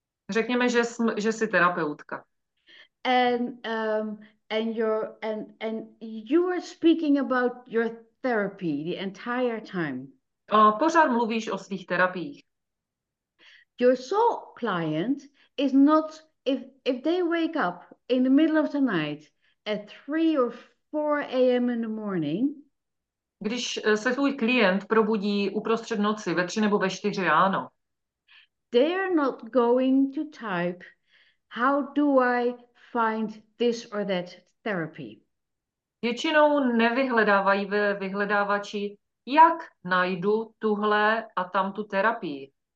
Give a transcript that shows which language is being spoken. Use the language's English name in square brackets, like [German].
[Czech] Řekněme, že jsi terapeutka. [English] And you are speaking about your therapy the entire time. [Czech] Pořád mluvíš o svých terapiích. [English] Your soul client is not, if they wake up in the middle of the night at 3 or 4 a.m. in the morning. [Czech] Když se tvůj klient probudí uprostřed noci, ve 3 nebo ve 4 ráno. [English] They are not going to type, how do I find this or that therapy? [Czech] Většinou nevyhledávají ve vyhledávači, jak najdu tuhle a tamtu terapii.